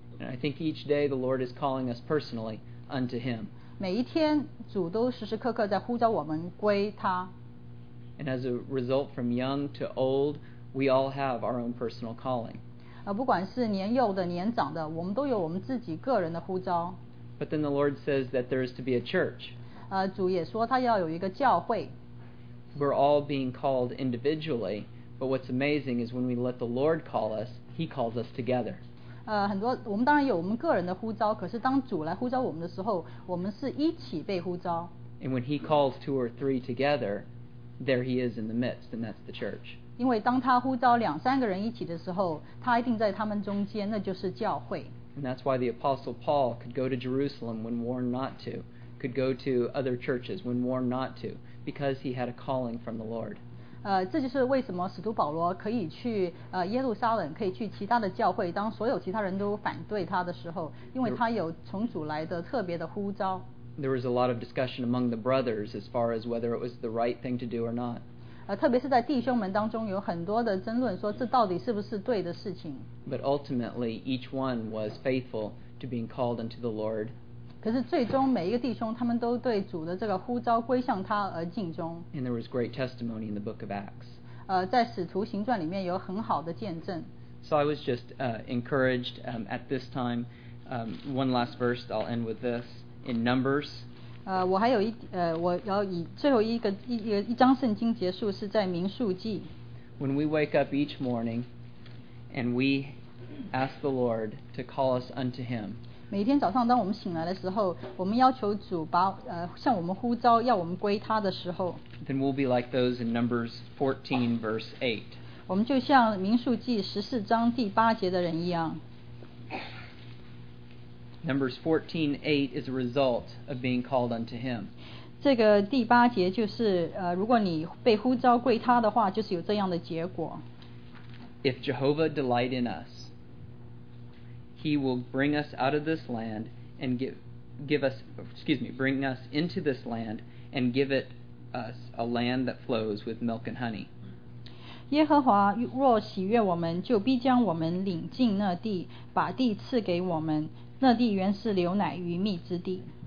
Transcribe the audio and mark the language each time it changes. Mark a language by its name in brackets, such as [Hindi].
[English] And I think each day the Lord is calling us personally unto Him. [Chinese] 每一天主都时时刻刻在呼召我们归他。 [English] And as a result, from young to old, we all have our own personal calling. [Chinese] 不管是年幼的年长的我们都有我们自己个人的呼召 [English] But then the Lord says that there is to be a church [Chinese] 主也说他要有一个教会 [English] We're all being called individually But what's amazing is when we let the Lord call us He calls us together [Chinese] 很多我们当然有我们个人的呼召可是当主来呼召我们的时候我们是一起被呼召 [English] And when He calls two or three together There He is in the midst And that's the church [Chinese] 因为当他呼召两三个人一起的时候他一定在他们中间那就是教会 [English] And that's why the Apostle Paul could go to Jerusalem when warned not to could go to other churches when warned not to because he had a calling from the Lord [Chinese] 这就是为什么使徒保罗可以去耶路撒冷可以去其他的教会当所有其他人都反对他的时候因为他有从主来的特别的呼召 [English] There was a lot of discussion among the brothers as far as whether it was the right thing to do or not [Chinese] 特别是在弟兄们当中有很多的争论说这到底是不是对的事情 [English] But ultimately each one was faithful to being called unto the Lord [Chinese] 可是最终每一个弟兄他们都对主的这个呼召归向他而尽忠 [English] And there was great testimony in the book of Acts [Chinese] 在使徒行传里面有很好的见证 [English] So I was just encouraged at this time one last verse I'll end with this in Numbers [Chinese] 我还有一我要以最后一个 一章圣经结束是在民数记 [English] When we wake up each morning and we ask the Lord to call us unto him [Chinese] 每天早上当我们醒来的时候我们要求主把向我们呼召要我们归他的时候 [English] Then we'll be like those in Numbers 14 verse 8 [Chinese] 我们就像民数记十四章第八节的人一样 [English] Numbers 14:8 is a result of being called unto him. [Chinese] 这个第八节就是如果你被呼召归他的话就是有这样的结果。 [English] If Jehovah delight in us, he will bring us out of this land and bring us into this land and give it us a land that flows with milk and honey. [Chinese] 耶和华若喜悦我们就必将我们领进那地把地赐给我们那地原是流奶与蜜之地。